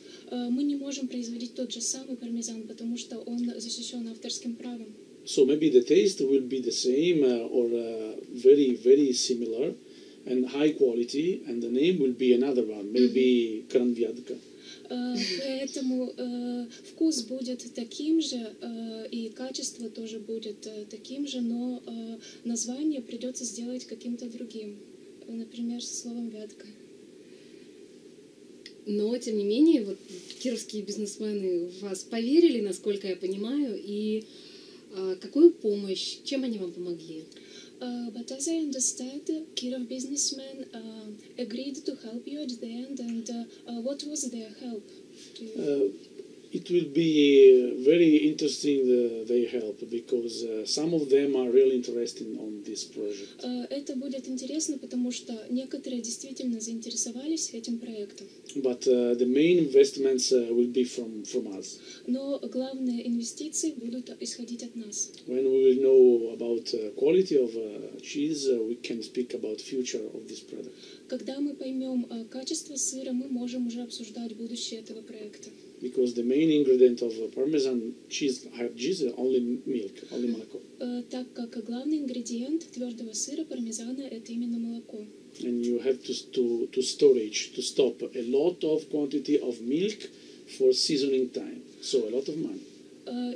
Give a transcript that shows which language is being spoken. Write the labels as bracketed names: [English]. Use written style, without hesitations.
[Russian] Мы не можем производить тот же самый пармезан, потому что он защищен авторским правом. [English] So maybe the taste will be the same or very very similar and high quality, and the name will be another one, maybe Gran Vyatka. [Russian] Поэтому вкус будет таким же, и качество тоже будет таким же, но название придется сделать каким-то другим, например, со словом «вятка». Но, тем не менее, вот кировские бизнесмены в вас поверили, насколько я понимаю, и какую помощь, чем они вам помогли? [English] But as I understand, Kirov businessmen agreed to help you at the end, and what was their help? It will be very interesting their help because some of them are really interested on this project. [Russian] Это будет интересно, потому что некоторые действительно заинтересовались этим проектом. [English] But the main investments will be from us. [Russian] Но главные инвестиции будут исходить от нас. [English] When we will know about quality of cheese, we can speak about future of this product. [Russian] Когда мы поймем качество сыра, мы можем уже обсуждать будущее этого проекта. [English] Because the main ingredient of Parmesan cheese is only milk, only [Russian] молоко. Так как главный ингредиент твердого сыра пармезана это именно молоко. [English] And you have to storage to stop a lot of quantity of milk for seasoning time, so a lot of money.